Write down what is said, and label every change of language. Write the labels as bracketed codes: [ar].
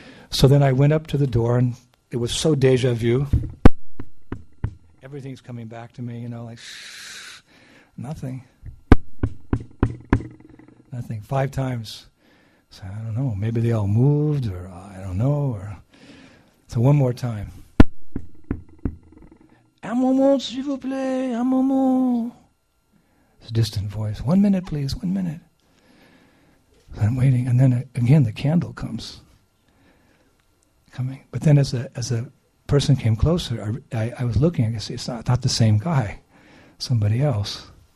[en] So then I went up to the door, and it was so deja vu. Everything's coming back to me, you know, like, nothing. Nothing. 5 times. So I don't know, maybe they all moved, or I don't know. Or so one more time. [fr] Un moment, s'il vous plaît, un moment. [en] It's a distant voice. 1 minute, please, 1 minute. So I'm waiting, and then again the candle comes. Coming. But then as a person came closer, I was looking, I could see it's not the same guy, somebody else.